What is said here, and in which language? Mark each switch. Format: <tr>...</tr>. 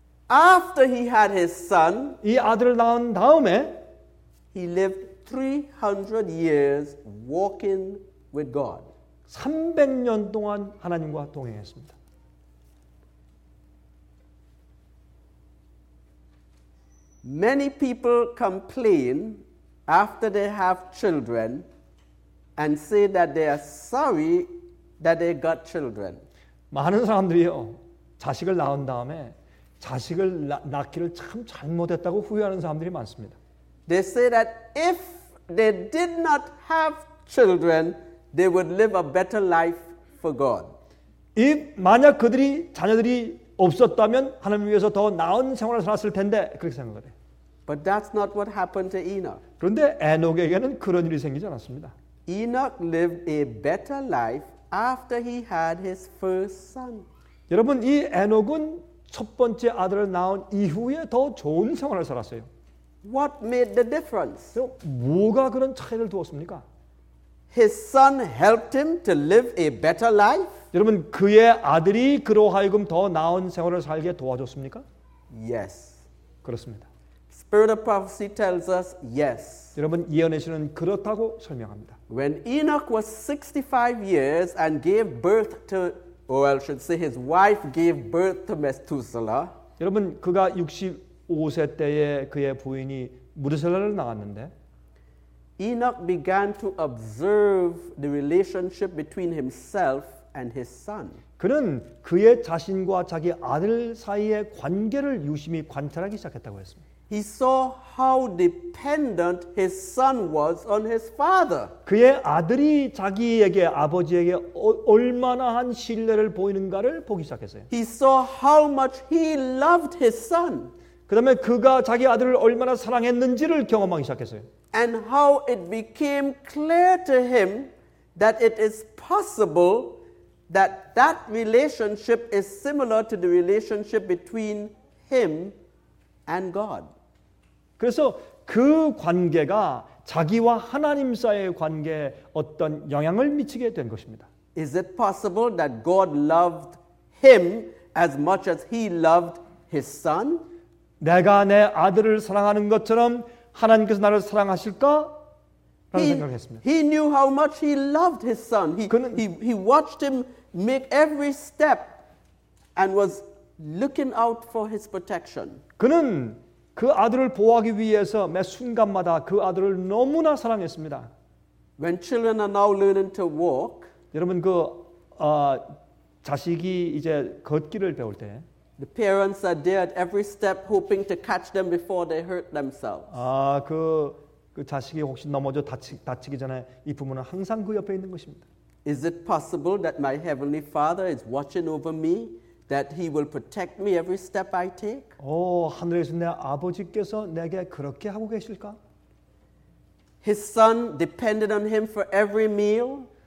<en>After he had his son,</en> <ko>이 아들을 낳은 다음에</ko> <en>he lived 300 years walking with God.</en> <ko>300년 동안 하나님과 동행했습니다.</ko> <en>Many people complain after they have children and say that they are sorry that they got children.</en> <ko>많은 사람들이요. 자식을 낳은 다음에 자식을 낳기를 참 잘못했다고 후회하는 사람들이 많습니다.</ko> <en>They say that if they did not have children, they would live a better life for God.</en> <ko>만약 그들이 자녀들이 없었다면 하나님을 위해서 더 나은 생활을 살았을 텐데 그렇게 생각을 해요.</ko> <en>But that's not what happened to Enoch.</en> <ko>그런데 에녹에게는 그런 일이 생기지 않았습니다.</ko> <en>Enoch lived a better life after he had his first son.</en> <ko>여러분 이 에녹은 첫 번째 아들을 낳은 이후에 더 좋은 생활을 살았어요.</ko> <en>What made the difference?</en> <ko>뭐가 그런 차이를 두었습니까?</ko> <en>His son helped him to live a better life.</en> <ko>여러분 그의 아들이 그로 하여금 더 나은 생활을 살게 도와줬습니까?</ko> <en>Yes.</en> <ko>그렇습니다.</ko> <en>Spirit of prophecy tells us yes.</en> <ko>여러분 예언의 신은 그렇다고 설명합니다.</ko> <en>When Enoch was 65 years and gave birth to, or I should say, his wife gave birth to Methuselah.</en> <ko>여러분 그가 65세 때에 그의 부인이 무두셀라를 낳았는데,</ko> <en>Enoch began to observe the relationship between himself and his son.</en> <ko>그는 그의 자신과 자기 아들 사이의 관계를 유심히 관찰하기 시작했다고 했습니다.</ko> <en>He saw how dependent his son was on his father.</en> <ko>그의 아들이 자기에게 아버지에게 얼마나 한 신뢰를 보이는가를 보기 시작했어요.</ko> <en>He saw how much he loved his son.</en> <ko>그다음에 그가 자기 아들을 얼마나 사랑했는지를 경험하기 시작했어요.</ko> <en>And how it became clear to him that it is possible that that relationship is similar to the relationship between him and God.</en> <ko>그래서 그 관계가 자기와 하나님 사이의 관계에 어떤 영향을 미치게 된 것입니다.</ko> <en>Is it possible that God loved him as much as he loved his son?</en> <ko>내가 내 아들을 사랑하는 것처럼 하나님께서 나를 사랑하실까? 라는 생각을 했습니다.</ko> <en>He knew how much he loved his son. He watched him make every step and was looking out for his protection.</en> <ko>그는 그 아들을 보호하기 위해서 매 순간마다 그 아들을 너무나 사랑했습니다.</ko> <en>When children are now learning to walk,</en> <ko>여러분 그 자식이 이제 걷기를 배울 때</ko> <en>The parents are there at every step hoping to catch them before they hurt themselves.</en> <ko>아, 그 자식이 혹시 넘어져 다치기 전에 이 부모는 항상 그 옆에 있는 것입니다.</ko> <en>Is it possible that my heavenly father is watching over me that he will protect me every step I take?</en> <ko>오, 하늘에서 내 아버지께서 내게 그렇게 하고 계실까?</ko> <en>His son depended on him for every meal.</en>